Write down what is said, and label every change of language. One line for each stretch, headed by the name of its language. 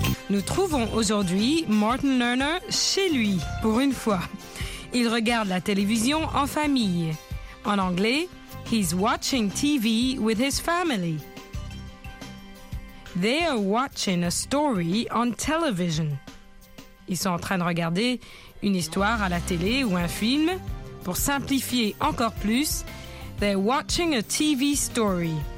French: Nous trouvons aujourd'hui Martin Lerner chez lui, pour une fois. Il regarde la télévision en famille. En anglais,
English: he's watching TV with his family. They are watching a story on television.
French: Ils sont en train de regarder une histoire à la télé ou un film. Pour simplifier encore plus,
English: they're watching a TV story.